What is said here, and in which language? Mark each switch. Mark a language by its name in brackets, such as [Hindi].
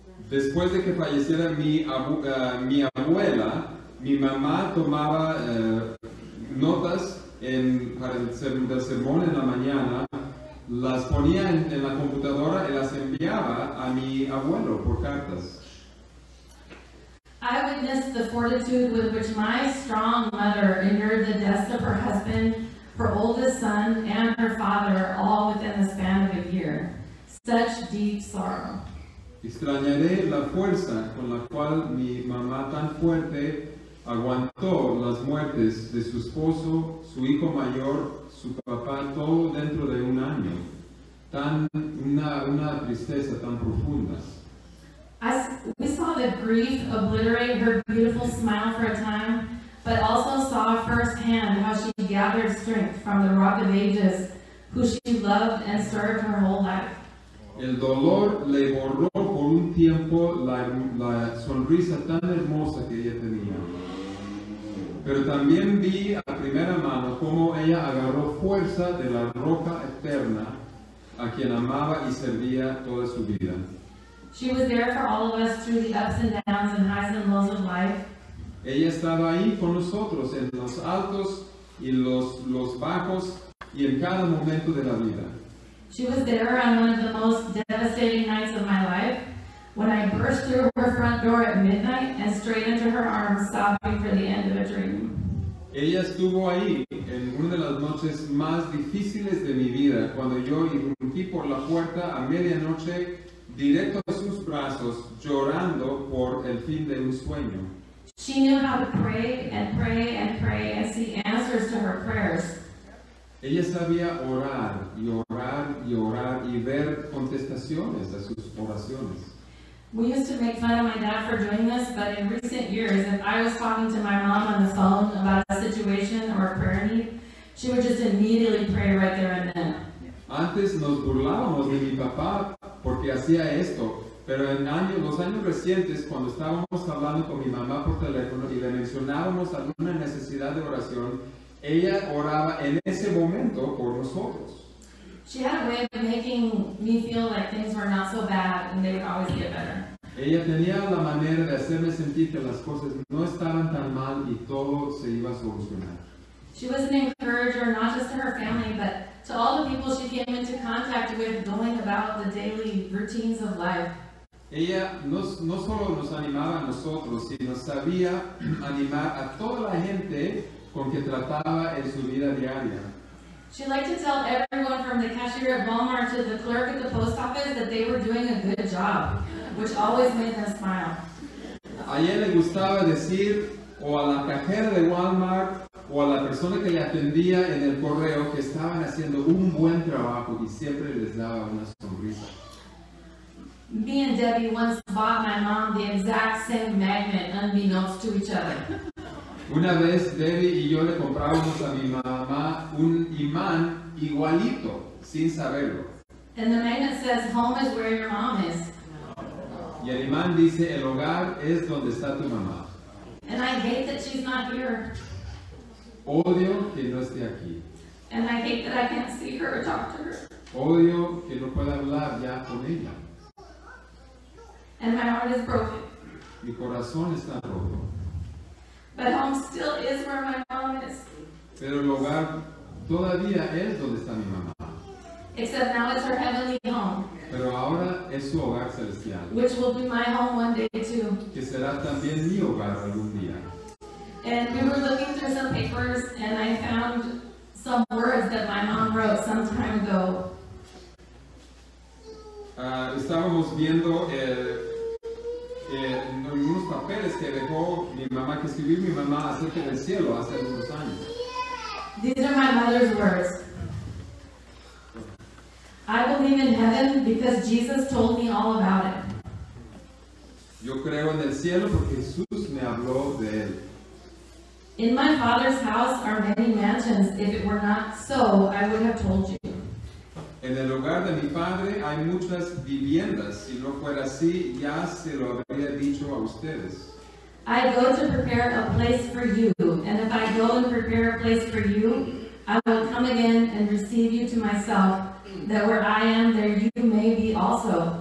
[Spanish] Después de que falleciera mi abuela, mi mamá tomaba notas para el sermón en la mañana, las ponía en la computadora y las enviaba a mi abuelo por cartas. [English] I witnessed the fortitude with which my strong mother endured the deaths of her husband, her oldest son, and her father all within the span of a year. Such deep sorrow. [Spanish] Extrañaré la fuerza con la cual mi mamá tan fuerte aguantó las muertes de su esposo, su hijo mayor, su papá, todo dentro de un año. Una tristeza tan profunda. [English] As we saw the grief obliterate her beautiful smile for a time, but also saw firsthand how she gathered strength from the Rock of Ages, who she loved and served her whole life. [Spanish] El dolor le borró por un tiempo la sonrisa tan hermosa que ella tenía. Pero también vi a primera mano cómo ella agarró fuerza de la roca eterna a quien amaba y servía toda su vida. [English] She was there for all of us through the ups and downs and highs and lows of life. [Spanish] Ella estaba ahí con nosotros en los altos y los bajos y en cada momento de la vida. [English] She was there on one of the most devastating nights of my life, when I burst through her front door at midnight and straight into her arms, sobbing for the end of a dream. [Spanish] Ella estuvo ahí en una de las noches más difíciles de mi vida, cuando yo irrumpí por la puerta a medianoche, directo a sus brazos, llorando por el fin de un sueño. [English] She knew how to pray and pray and pray and see answers to her prayers. [Spanish] Ella sabía orar y orar y orar y ver contestaciones a sus oraciones. [English] We used to make fun of my dad for doing this, but in recent years, if I was talking to my mom on the phone about a situation or a prayer need, she would just immediately pray right there and then. [Spanish] Antes nos burlábamos de mi papá porque hacía esto, pero en los años recientes, cuando estábamos hablando con mi mamá por teléfono y le mencionábamos alguna necesidad de oración, ella oraba en ese momento por nosotros. [English] She had a way of making me feel like things were not so bad and they would always get better. [Spanish] Ella tenía la manera de hacerme sentir que las cosas no estaban tan mal y todo se iba a solucionar. [English] She was an encourager not just to her family, but to all the people she came into contact with going about the daily routines of life. [Spanish] Ella no solo nos animaba a nosotros, sino sabía animar a toda la gente con que trataba en su vida diaria. [English] She liked to tell everyone from the cashier at Walmart to the clerk at the post office that they were doing a good job, which always made them smile. [Spanish] A ella le gustaba decir o a la cajera de Walmart o a la persona que le atendía en el correo que estaban haciendo un buen trabajo y siempre les daba una sonrisa. [English] Me and Debbie once bought my mom the exact same magnet, unbeknownst to each other. [Spanish] Una vez Debbie y yo le comprábamos a mi mamá un imán igualito, sin saberlo. [English] And the magnet says, home is where your mom is. [Spanish] Y el imán dice, el hogar es donde está tu mamá. [English] And I hate that she's not here. [Spanish] Odio que no esté aquí. [English] And I hate that I can't see her or talk to her. [Spanish] Odio que no pueda hablar ya con ella. [English] And my heart is broken. [Spanish] Mi corazón está roto. [English] But home still is where my mom is. [Spanish] Pero el hogar todavía es donde está mi mamá. [English] Except now it's her heavenly home. [Spanish] Pero ahora es su hogar celestial. [English] Which will be my home one day too. [Spanish] Que será también mi hogar algún día. [English] And we were looking through some papers and I found some words that my mom wrote some time ago. [Spanish] Estábamos viendo unos papeles que dejó mi mamá, que escribió mi mamá acerca del cielo hace algunos años. [English] These are my mother's words. I believe in heaven because Jesus told me all about it. [Spanish] Yo creo en el cielo porque Jesús me habló de él. [English] In my father's house are many mansions. If it were not so, I would have told you. [Spanish] En el hogar de mi padre hay muchas viviendas. Si no fuera así, ya se lo habría dicho a ustedes. [English] I go to prepare a place for you. And if I go and prepare a place for you, I will come again and receive you to myself, that where I am, there you may be also.